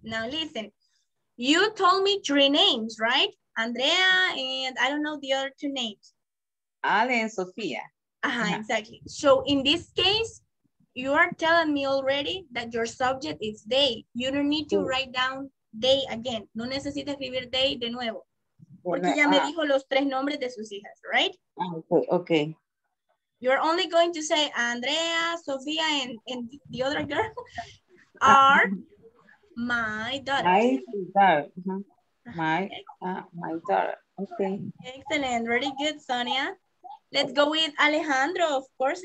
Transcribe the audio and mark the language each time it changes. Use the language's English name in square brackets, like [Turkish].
[English] Now listen, you told me three names, right? Andrea and I don't know the other two names. Ale and Sofia. Uh-huh, exactly. So in this case, you are telling me already that your subject is they. You don't need to write down they again. [Spanish] No necesita escribir they de nuevo. Porque ya me dijo los tres nombres de sus hijas, right? [English] Okay. You're only going to say Andrea, Sofia, and the other girl are my daughter. My daughter. My daughter. Okay. Excellent. Very good, Sonia. Let's go with Alejandro, of course.